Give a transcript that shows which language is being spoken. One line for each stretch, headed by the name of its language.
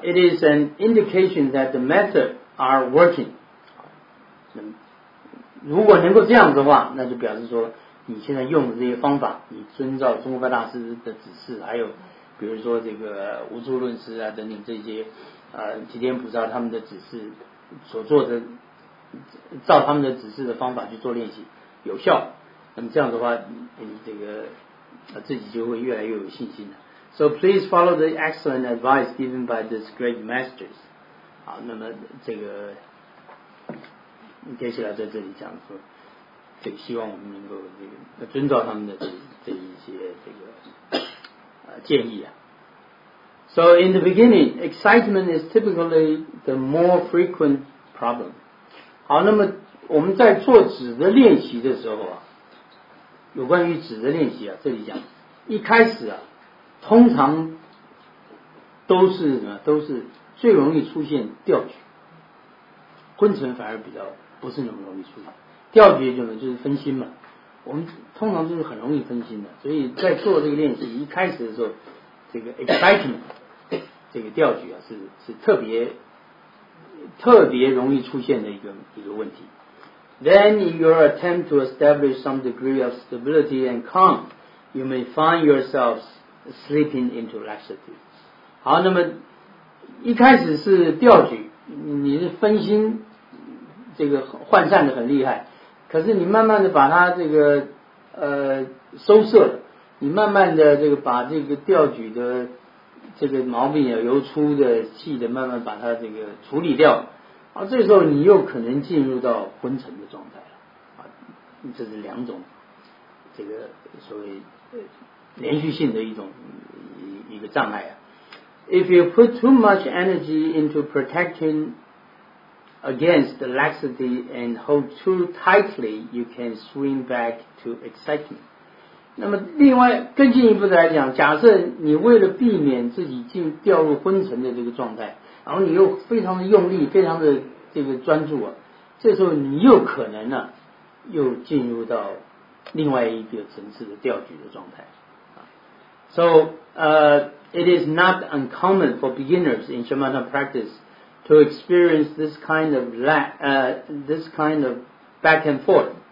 English: It is an indication that the method are working。
Chinese: 如果能够这样的话，那就表示说你现在用的这些方法，你遵照中国大师的指示，还有比如说这个无著论师啊等等这些齐天菩萨他们的指示所做的，照他们的指示的方法去做练习有效。那么这样的话，你这个自己就会越来越有信心了。
English: So please follow the excellent advice given by these great masters。
Chinese: 好，那么这个接下来在这里讲说，这希望我们能够这个遵照他们的这一些这个建议啊。
English: So in the beginning, excitement is typically the more frequent problem。
Chinese: 好，那么我们在做指的练习的时候啊。有关于指的练习啊，这里讲一开始啊，通常都是什么？都是最容易出现调举，昏沉反而比较不是那么容易出现。调举就是分心嘛，我们通常就是很容易分心的，所以在做这个练习一开始的时候，这个 excitement 这个调举啊是特别容易出现的一个问题。
English: Then in your attempt to establish some degree of stability and calm, you may find yourself slipping into laxity.
Chinese: 好，那么一开始是调举，你是分心，这个涣散的很厉害，可是你慢慢的把它这个收摄了，你慢慢的这个把这个调举的这个毛病啊，由粗的细的慢慢把它这个处理掉，啊，这时候你又可能进入到昏沉的状态了，啊，这是两种这个所谓连续性的一种一个障碍啊。
English: If you put too much energy into protecting against the laxity and hold too tightly, you can swing back to excitement.
Chinese: 那么另外更进一步的来讲，假设你为了避免自己进掉入昏沉的这个状态，然后你又非常的用力，非常的这个专注啊，这时候你又可能呢，又进入到另外一个层次的调举的状态。
English: So, it is not uncommon for beginners in shamatha practice to experience this kind of back and forth.